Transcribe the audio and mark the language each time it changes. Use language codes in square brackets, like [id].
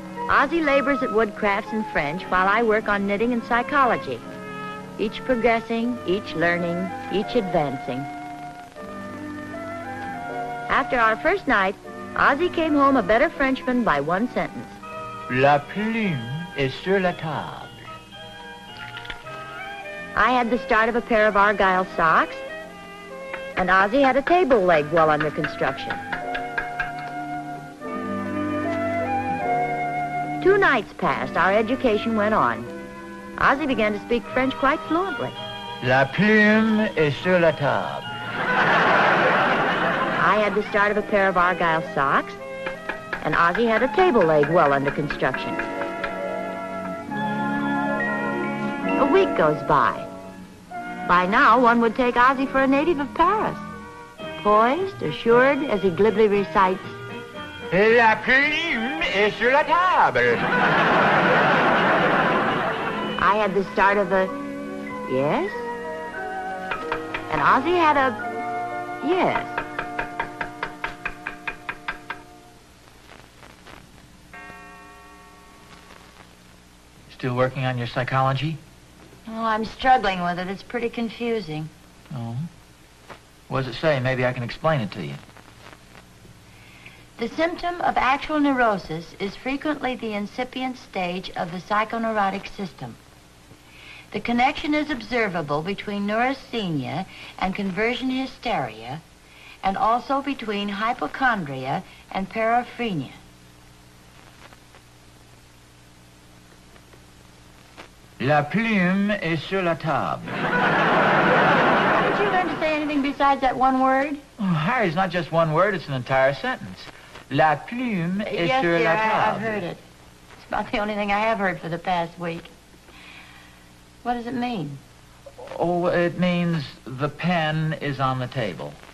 [en] Ozzie labors at woodcrafts and French while I work on knitting and psychology. Each progressing, each learning, each advancing. After our first night, Ozzie came home a better Frenchman by one sentence. [fr] La plume est sur la table. [en] I had the start of a pair of Argyle socks, and Ozzie had a table leg well under construction. Two nights passed, our education went on. Ozzie began to speak French quite fluently. [fr] La plume est sur la table. [en] I had the start of a pair of Argyle socks, and Ozzie had a table leg well under construction. A week goes by. By now, one would take Ozzie for a native of Paris. Poised, assured, as he glibly recites, [fr] La plume est sur la table. [en] I had the start of a... Yes? And Ozzie had a... Yes. Still working on your psychology? Oh, I'm struggling with it. It's pretty confusing. Oh? What does it say? Maybe I can explain it to you. The symptom of actual neurosis is frequently the incipient stage of the psychoneurotic system. The connection is observable between neurasthenia and conversion hysteria, and also between hypochondria and paraphrenia. [fr] La plume est sur la table. [en] Didn't you learn to say anything besides that one word? Oh, Harry, it's not just one word, it's an entire sentence. [fr] La plume est [en] yes, [fr] sur [en] dear, [fr] la table. [en] Yes, I've heard it. It's about the only thing I have heard for the past week. What does it mean? Oh, it means the pen is on the table.